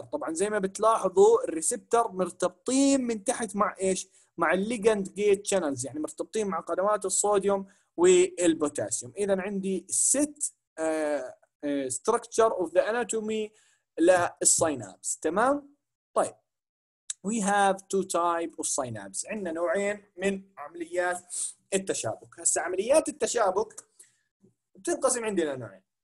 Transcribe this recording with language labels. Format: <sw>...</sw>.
<ar>طبعا زي ما بتلاحظوا الريسبتر مرتبطين من تحت مع ايش مع الليجند جيت شانلز يعني مرتبطين مع قنوات الصوديوم والبوتاسيوم. اذا عندي</ar> <en>ست structure of the anatomy للسينابس تمام. طيب We have two types of synapse.</en> <ar>عندنا نوعين من عمليات التشابك. هسا عمليات التشابك بتنقسم عندنا نوعين.</ar>